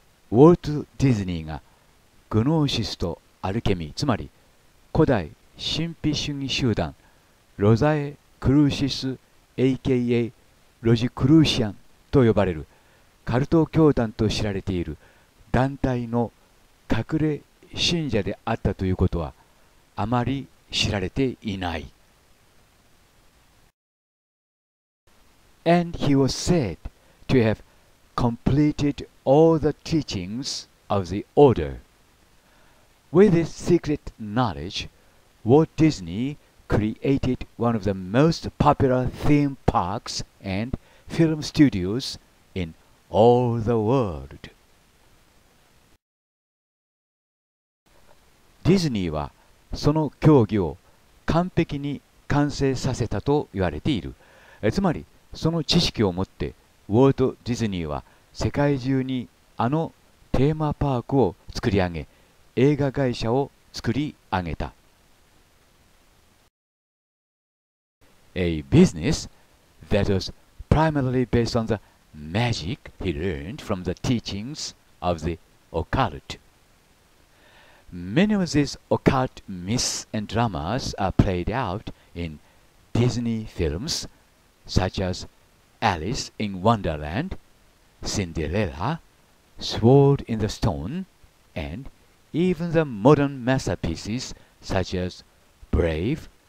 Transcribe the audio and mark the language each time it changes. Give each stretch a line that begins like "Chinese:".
Japanese: ウォルト・ディズニーがグノーシスとアルケミー、つまり古代神秘主義集団ロザエ・クルーシス aka ロジクルーシアンと呼ばれるカルト教団と知られている団体の隠れ信者であったということはあまり知られていない。
English: And he was said to have completed all the teachings of the order. With his secret knowledge, Walt Disney created one of the most popular theme parks and film studios in all the world.
Japanese: ディズニーはその教義を完璧に完成させたと言われている。つまりその知識をもってウォルト・ディズニーは世界中にあのテーマパークを作り上げ、映画会社を作り上げた。
English: A business that was primarily based on the magic he learned from the teachings of the occultMany of these occult myths and dramas are played out in Disney films such as Alice in Wonderland, Cinderella, Sword in the Stone, and even the modern masterpieces such as Brave,